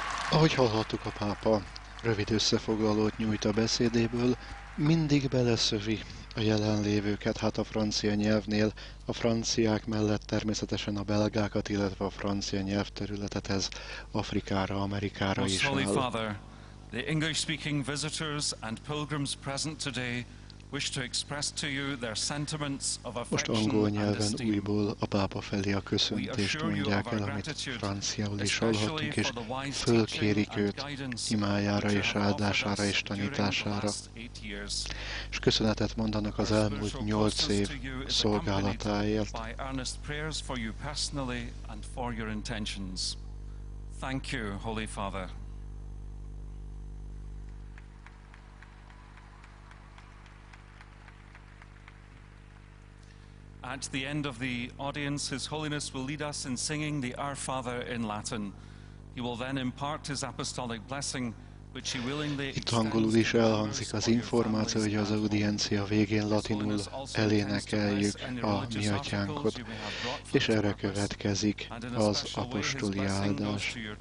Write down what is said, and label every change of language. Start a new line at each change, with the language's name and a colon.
Hungarian: Ahogy hallhattuk, a pápa rövid összefoglalót nyújt a beszédéből, mindig beleszövi a jelenlévőket, hát a francia nyelvnél, a franciák mellett természetesen a belgákat, illetve a francia nyelvterületet, ez Afrikára, Amerikára is áll.
English: Most Holy Father, the English-speaking visitors and pilgrims present today wish to express to you their sentiments of affection and
Hungarian: Most angol nyelven újból a pápa felé a köszöntést mondják el, amit franciául is hallhattuk, és fölkérik őt imájára és áldására és tanítására. És köszönetet mondanak az elmúlt 8 év szolgálatáért.
English: By earnest prayers for you personally and for your intentions. Thank you, Holy Father. At the end of the audience, His Holiness will lead us in singing the Our Father in Latin. He will then impart His apostolic blessing, which He willingly extends.
Hungarian: Itt angolul is elhangzik az információ, hogy az audiencia végén latinul elénekeljük a mi atyánkot, és erre következik az apostoli áldás.